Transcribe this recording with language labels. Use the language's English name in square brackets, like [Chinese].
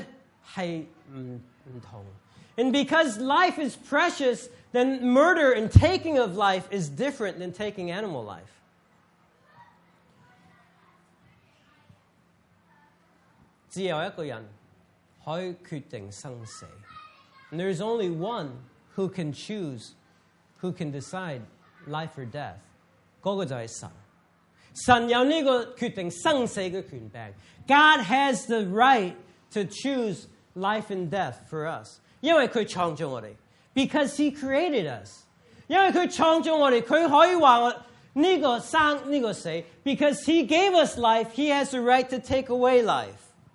[Cantonese] 那我们看到这个生命的宝贵变成杀人是不同。 [English] And because life is precious, then murder and taking of life is different than taking animal life. [Cantonese] 只有一个人可以决定生死。 [English] And there is only one who can choose, who can decide life or death. [Cantonese] 那个就是神。神有这个决定生死的权柄. [English] God has the right to choose life and death for us. [Cantonese] 因为他创造我们, [English] because he created us. [Cantonese] 因为他创造我们, 他可以说这个生这个死, [English] because he gave us life, he has the right to take away life.